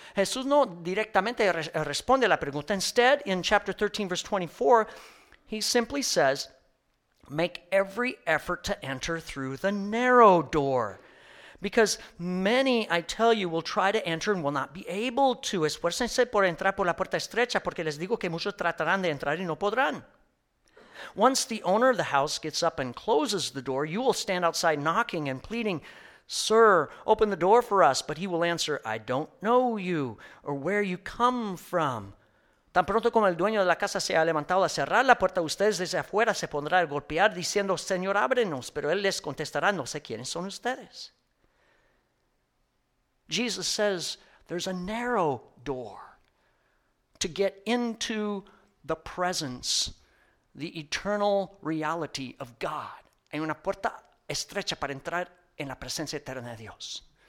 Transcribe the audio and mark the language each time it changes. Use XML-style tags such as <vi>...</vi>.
<es>Jesús no directamente responde la pregunta.</es> <en>Instead, in chapter 13, verse 24, he simply says, make every effort to enter through the narrow door. Because many, I tell you, will try to enter and will not be able to.</en> <es>Esfuércense por entrar por la puerta estrecha, porque les digo que muchos tratarán de entrar y no podrán.</es> <en>Once the owner of the house gets up and closes the door, you will stand outside knocking and pleading, sir, open the door for us. But he will answer, I don't know you or where you come from.</en> <es>Tan pronto como el dueño de la casa se ha levantado a cerrar la puerta, ustedes desde afuera se pondrán a golpear diciendo, Señor, ábrenos. Pero él les contestará, no sé quiénes son ustedes.</es> <en>Jesus says there's a narrow door to get into the presence, the eternal reality of God.</en> <es>Hay una puerta estrecha para entrar en la presencia eterna de Dios.</es>